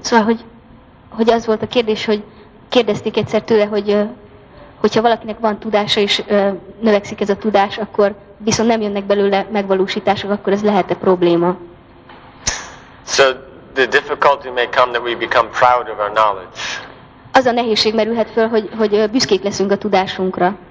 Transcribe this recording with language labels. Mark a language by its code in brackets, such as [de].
[hu] Szóval, hogy az volt a kérdés, hogy kérdezték egyszer tőle, hogy hogyha valakinek van tudása és növekszik ez a tudás, akkor viszont nem jönnek belőle megvalósítások, akkor ez lehet-e probléma? [en] So the difficulty may come that we become proud of our knowledge. [hu] Az a nehézség merülhet föl, hogy büszkék leszünk a tudásunkra.